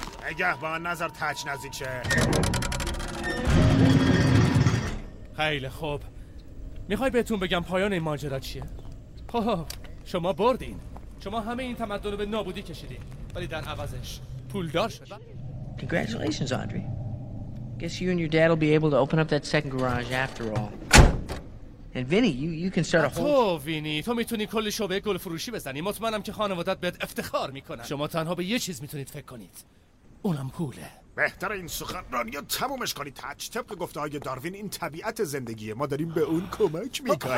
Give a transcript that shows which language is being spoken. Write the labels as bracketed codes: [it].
[fa] نگهبان نظر تچ نزدیکه. خیلی خوب. میخوای بهتون بگم پایان این ماجرا چیه؟ خب، شما بردین. شما همه این تمدن رو به نابودی کشیدین. ولی در عوضش پولدار شدین. [en] Congratulations, Audrey. Guess you and your dad will be able to open up that second garage after all. And Vinny, you can start a whole... [fa] تو وینی، تو میتونی کل شعبه گلف فروشی بزنی. مطمئنم که خانوادت بهت افتخار میکنن. شما تنها به یه چیز میتونید فکر کنید. اونم پوله. بهتر این سخنرانی رو تمومش کنی تچ. طبق گفته های داروین این طبیعت زندگیه. ما داریم به اون کمک میکنیم.